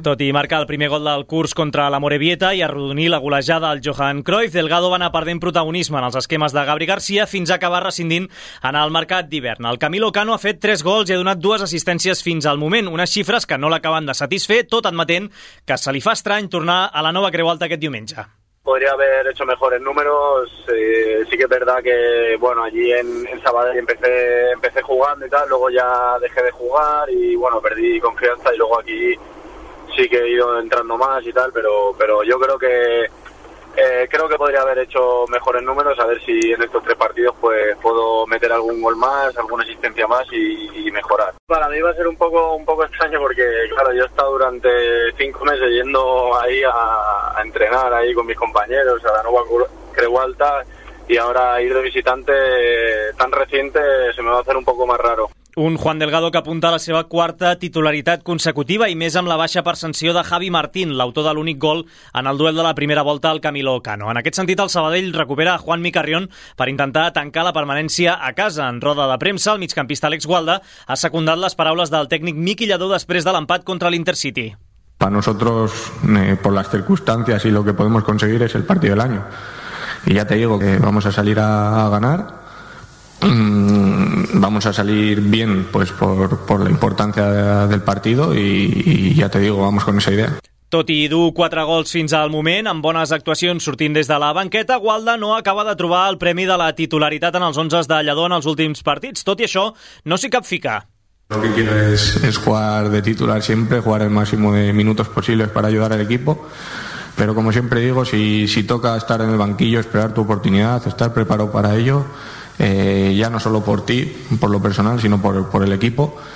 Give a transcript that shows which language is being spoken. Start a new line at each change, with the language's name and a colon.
Catalan: Tot i marcar el primer gol del curs contra la Morevieta i arrodonir la golejada al Johan Cruyff, Delgado va anar perdent protagonisme en els esquemes de Gabri Garcia fins a acabar rescindint en el mercat d'hivern. El Camilo Cano ha fet 3 gols i ha donat 2 assistències fins al moment, unes xifres que no l'acaben de satisfer, tot en mateix que se li fa estrany tornar a la nova Creu Alta aquest diumenge.
Spanish: Podría haber hecho mejores números, sí que es verdad que bueno, allí en Sabadell empecé jugando y tal, luego ya dejé de jugar y bueno, perdí confianza y luego aquí sí que he ido entrando más y tal, pero yo creo que podría haber hecho mejores números, a ver si en estos 3 partidos pues puedo meter algún gol más, alguna asistencia más y mejorar. Para mí va a ser un poco extraño porque claro, yo he estado durante 5 meses yendo ahí a entrenar ahí con mis compañeros a la nueva Creu Alta y ahora ir de visitante tan reciente se me va a hacer un poco más raro.
Catalan: Un Juan Delgado que apunta a la seva quarta titularitat consecutiva i més amb la baixa per sanció de Javi Martín, l'autor de l'únic gol en el duel de la primera volta al Camilo Cano. En aquest sentit, el Sabadell recupera Juanmi Carrión per intentar tancar la permanència a casa. En roda de premsa, el migcampista Àlex Gualda ha secundat les paraules del tècnic Miqui Lladó després de l'empat contra l'Intercity.
Spanish: Para nosotros, por las circunstancias y lo que podemos conseguir es el partido del año. Y ya te digo que vamos a salir a ganar. Vamos a salir bien, pues por la importancia del partido y ya te digo, vamos con esa idea.
Catalan: Tot i dur 4 gols fins al moment, amb bones actuacions sortint des de la banqueta, Gualda no acaba de trobar el premi de la titularitat en els 11 de Lladó en els últims partits. Tot i això, no s'hi cap ficar.
Spanish: Lo que quiero es jugar de titular siempre, jugar el máximo de minutos posibles para ayudar al equipo. Pero como siempre digo, si toca estar en el banquillo, esperar tu oportunidad, estar preparado para ello. Ya no solo por ti, por lo personal, sino por el equipo.